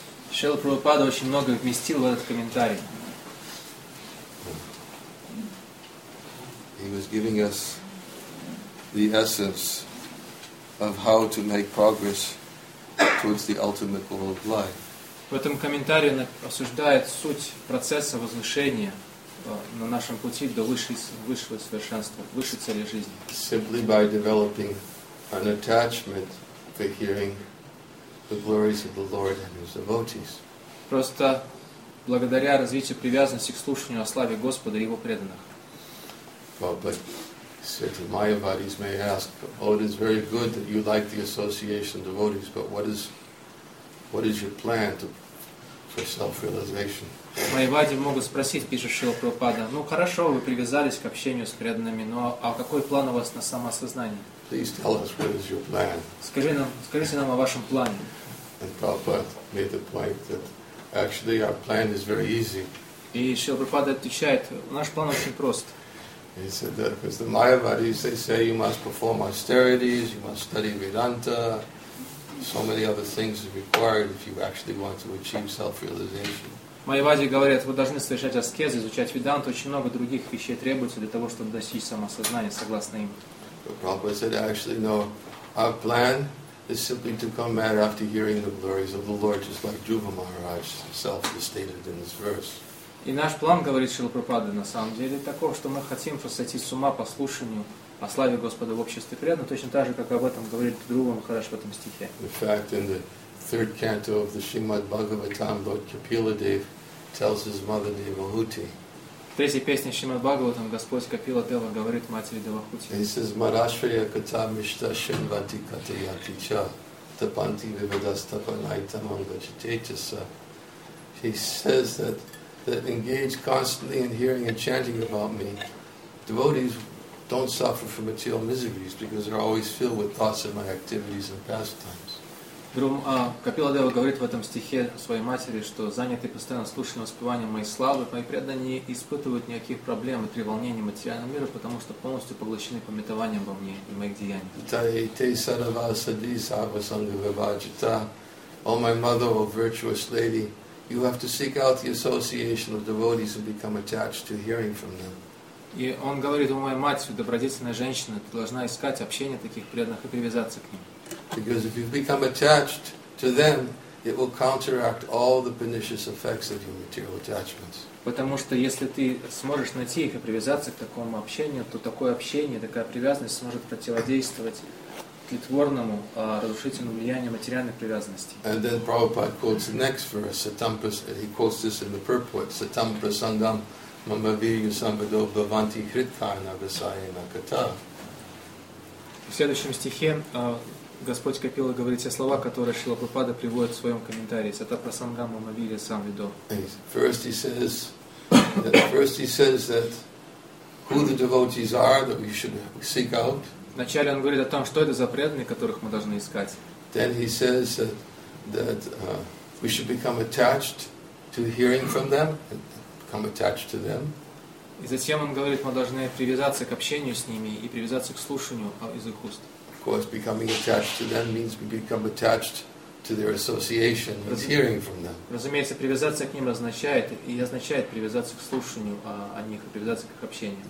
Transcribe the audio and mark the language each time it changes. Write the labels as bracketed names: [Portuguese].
[Russian] Srila Prabhupada очень много вместил в этот комментарий. [English] He was giving us the essence of how to make progress towards the ultimate goal of life. [Russian] В этом комментарии он осуждает суть процесса возвышения на нашем пути до высшего совершенства, высшей цели жизни. [English] Simply by developing an attachment for hearing the glories of the Lord and His devotees. [Russian] Просто благодаря развитию привязанности к слушанию о славе Господа и Его преданных. [English] Well, but certain Mayavadis may ask, "Oh, it is very good that you like the association of devotees, but what is your plan for self-realization?" [Russian] Майявади могут спросить, пишет Шрила Прабхупада, "Ну хорошо, вы привязались к общению с преданными, но а какой план у вас на самосознание?" [English] Please tell us what is your plan. [Russian] Скажите нам о вашем плане. [English] And Prabhupada made the point that actually our plan is very easy. [Russian] И Шрила Прабхупада отвечает, наш план очень прост. [English] He said that because the Mayavadis, they say you must perform austerities, you must study Vedanta, so many other things are required if you actually want to achieve self-realization. [Russian] Майявади говорят, вы должны совершать аскезы, изучать веданту, очень много других вещей требуется для того, чтобы достичь самосознания, согласно им. [English] But Prabhupada said, actually, no, our plan is simply to come mad after hearing the glories of the Lord, just like Dhruva Maharaj himself has stated in this verse. [Russian] И наш план, говорит Шрила Прабхупада, на самом деле такой, что мы хотим сойти с ума по слушанию о славе Господа в обществе преданных, точно так же, как об этом говорит Дхрува Махарадж в этом стихе. [English] In fact, in the third canto of the Srimad Bhagavatam, Lord Kapiladev tells his mother Devahuti. [Russian] В третьей песне Шримад Бхагаватам Господь Капила Дева говорит матери Девахути. [English] He says, [Sanskrit] Marashvaya kata mishta shenvati kata yati cha tapanti vivadastapanaita manga chitetasa. [English] He says that engaged constantly in hearing and chanting about me, devotees don't suffer from material miseries because they're always filled with thoughts of my activities and pastimes. [Russian] Капила Дева говорит в этом стихе своей матери, что заняты постоянно слушанием воспеванием моей славы, мои преданные не испытывают никаких проблем и треволнений материального мира, потому что полностью поглощены памятованием во мне и моих деяниях. [English] O my mother, O virtuous lady, you have to seek out the association of devotees and become attached to hearing from them. [Russian] И он говорит, о моя мать, добродетельная женщина, ты должна искать общение таких преданных и привязаться к ним. [English] Because if you become attached to them, it will counteract all the pernicious effects of your material attachments. [Russian] Потому что если ты сможешь найти их и привязаться к такому общению, то такое общение, такая привязанность сможет противодействовать тлетворному, разрушительному влиянию материальных привязанностей. [English] And then Prabhupada quotes the next verse, Satampas, he quotes this in the purport, [Sanskrit] Satampasangam Mamaviya Sambado Bhavanti Hritkarna Vasayana Kata. [Russian] В следующем стихе Господь Капила говорит те слова, которые Шрила Прабхупада приводит в своем комментарии. Это про [Sanskrit] сангама мавили сам видо. [English] First he says that who the devotees are that we should seek out. [Russian] Вначале он говорит о том, что это за преданные, которых мы должны искать. [English] Then he says that we should become attached to hearing from them and become attached to them. [Russian] И затем он говорит, мы должны привязаться к общению с ними и привязаться к слушанию из их уст. [English] Of course, becoming attached to them means we become attached to their association, means hearing from them. [Russian] Разумеется, привязаться к ним означает и означает привязаться к слушанию о них, привязаться к общению.